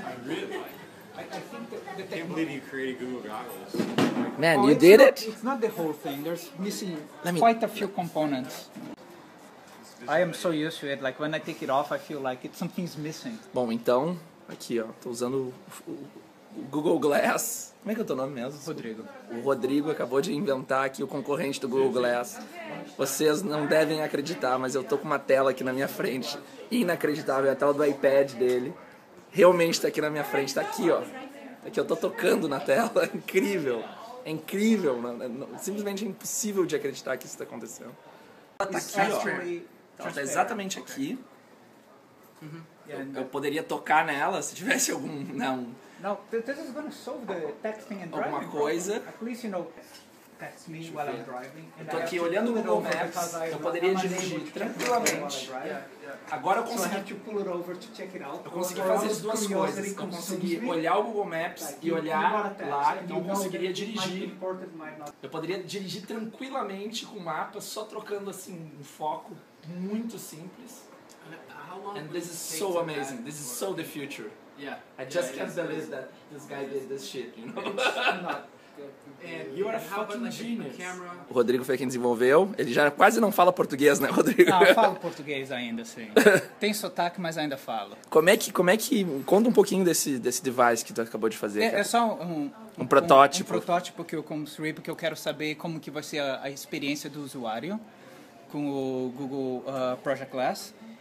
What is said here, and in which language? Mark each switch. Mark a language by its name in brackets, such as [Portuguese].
[English] I really like it. I think the can't believe you created Google Goggles. Man, you did it? It's not the whole thing. There's missing quite a few components. I am so used to it. Like, when I take it off, I feel like it's something's missing. [Portuguese] Bom, então, aqui, ó. Tô usando o Google Glass. Como é que é o teu nome mesmo? Rodrigo. O Rodrigo acabou de inventar aqui o concorrente do Google Glass. Vocês não devem acreditar, mas eu tô com uma tela aqui na minha frente. Inacreditável. É a tela do iPad dele. Realmente está aqui na minha frente, está aqui, ó. Aqui eu estou tocando na tela, é incrível, não, simplesmente é impossível de acreditar que isso está acontecendo. Ela está aqui, ó. Ela está exatamente aqui. Eu poderia tocar nela se tivesse algum, não. [English] Now, this is going to solve the texting and driving. [Portuguese] Alguma coisa. [English] At least you know, text me while I'm driving. [Portuguese] Estou aqui olhando o Google Maps, eu poderia dirigir tranquilamente. Agora eu consegui fazer as duas coisas. Eu consegui olhar o Google Maps e olhar lá, então eu conseguiria dirigir. Eu poderia dirigir tranquilamente com o mapa, só trocando assim um foco muito simples. [English] And this is so amazing. This is so the future. Yeah. I just can't believe that this guy did this shit, you know? And you are a fucking genius. [Portuguese] O Rodrigo foi quem desenvolveu. Ele já quase não fala português, né, Rodrigo? Ah, eu falo português ainda, sim. Tem sotaque, mas ainda falo. Como é que conta um pouquinho desse device que tu acabou de fazer. É só um protótipo. Um protótipo que eu construí, porque eu quero saber como que vai ser a experiência do usuário com o Google Project Glass.